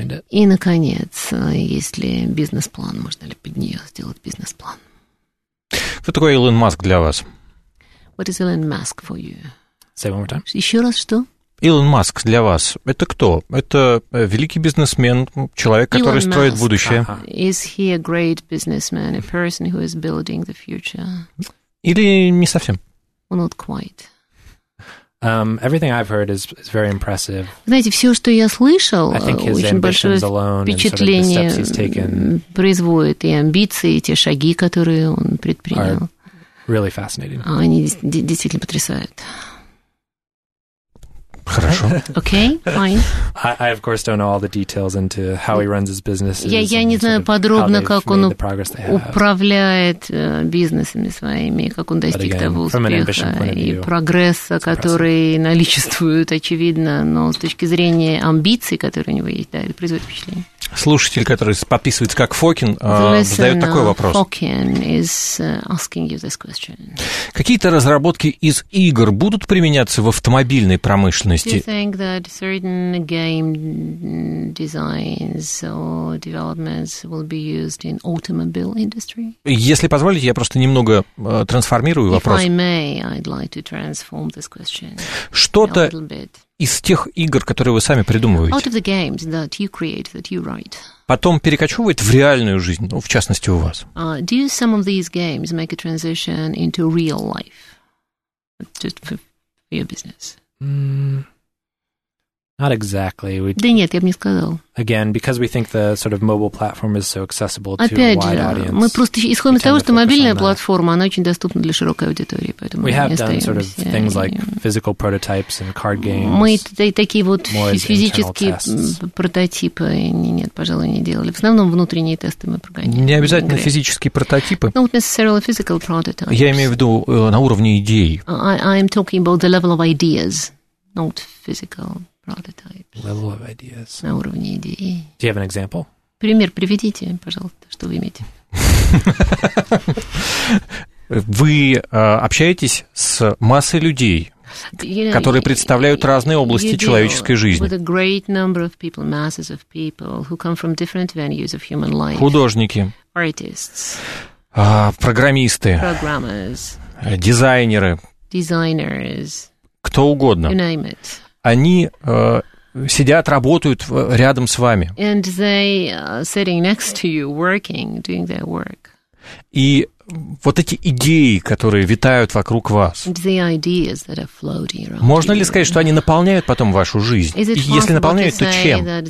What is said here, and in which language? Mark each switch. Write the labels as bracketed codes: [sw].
[ru] И, наконец, есть ли бизнес-план, можно ли под нее сделать бизнес-план. Кто такой Илон Маск для вас? [en] What is Elon Musk for you? Say one more time. [ru] Еще раз что? Илон Маск для вас – это кто? Это великий бизнесмен, человек, который [en] Elon [ru] строит [en] Musk. [ru] Будущее. [en] Is he a great businessman, a person who is building the future? [ru] Или не совсем? [en] Well, not quite. Everything I've heard is very impressive. [ru] Знаете, все, что я слышал, очень большое впечатление производит, и амбиции, и те шаги, которые он предпринял. [en] Really fascinating. [ru] Они действительно потрясают. Хорошо. [en] Okay, fine. I of course don't know all the details into how he runs his business. [ru] Я не знаю подробно, как он управляет бизнесами своими, как он достиг того успеха и прогресса, который наличествует, очевидно, но с точки зрения амбиций, которые у него есть, да, это производит впечатление. Слушатель, который подписывается как Фокин, задает такой вопрос. [en] Фокин is asking you this question. [ru] Какие-то разработки из игр будут применяться в автомобильной промышленности? [en] Do you think that certain game designs or developments will be used in automobile industry? [ru] Если позволите, я просто немного трансформирую вопрос. [en] If I may, I'd like to transform this question. [ru] Что-то из тех игр, которые вы сами придумываете, [en] out of the games that you create, that you write, [ru] потом перекочевывает в реальную жизнь, ну, в частности, у вас. [en] Do some of these games make a transition into real life? Just for your business. Not exactly. [ru] Да нет, я бы не сказал. [en] Again, because we think the sort of mobile platform is so accessible to a wide audience. [ru] Мы просто исходим из того, что мобильная платформа, она очень доступна для широкой аудитории, поэтому мы [en] have done sort of things like physical prototypes and card games. [ru] Мы такие вот физические прототипы, нет, пожалуй, не делали. В основном внутренние тесты мы прогоняем. Не обязательно физические прототипы. [en] Not necessarily physical prototypes. [ru] Я имею в виду на уровне идей. [en] I'm talking about the level of ideas, not physical. Prototypes. Level of ideas. [ru] На уровне идеи. [en] Do you have an example? [ru] Пример приведите, пожалуйста, что вы имеете. Вы общаетесь с массой людей, которые представляют разные области человеческой жизни. [en] With a great number of people, masses of people, who come from different venues of human life. [ru] Художники. [en] Artists. [ru] Программисты. [en] Programmers. [ru] Дизайнеры. [en] designers, [ru] кто угодно, [en] you name it. [ru] Они сидят, работают рядом с вами. [en] And they are sitting next to you, working, doing their work. [ru] И вот эти идеи, которые витают вокруг вас, можно ли сказать, что они наполняют потом вашу жизнь? Если наполняют, то чем?